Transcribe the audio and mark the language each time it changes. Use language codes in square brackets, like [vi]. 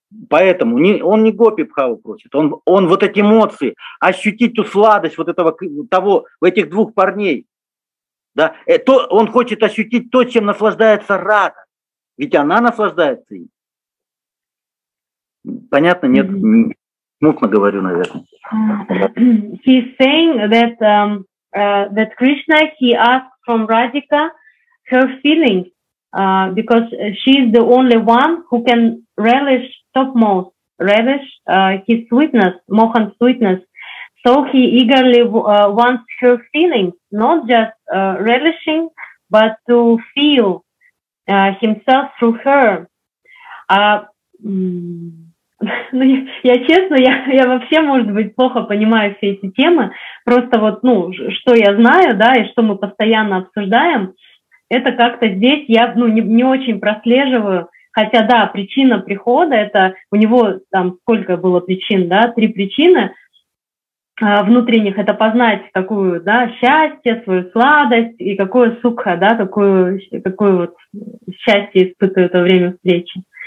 [ru] Поэтому он не гопи пхаву просит, он вот эти эмоции, ощутить ту сладость вот этого, того, этих двух парней. Да, это, он хочет ощутить то, чем наслаждается Рада. Ведь она наслаждается им. Понятно? Нет? Смутно говорю, наверное. [en] He's saying that, that Krishna, he asked from Radhika her feelings, because she's the only one who can relish topmost, relish his sweetness, Mohan's sweetness. So he eagerly wants her feelings, not just relishing, but to feel himself through her. [ru] Ну, я честно, я вообще, может быть, плохо понимаю все эти темы. Просто вот, ну, что я знаю, да, и что мы постоянно обсуждаем, это как-то здесь я, ну, не очень прослеживаю. Хотя, да, причина прихода, это у него там сколько было причин, да, три причины внутренних, это познать какую, да, счастье, свою сладость и какое сукха, да, какое вот счастье испытывает во время встречи.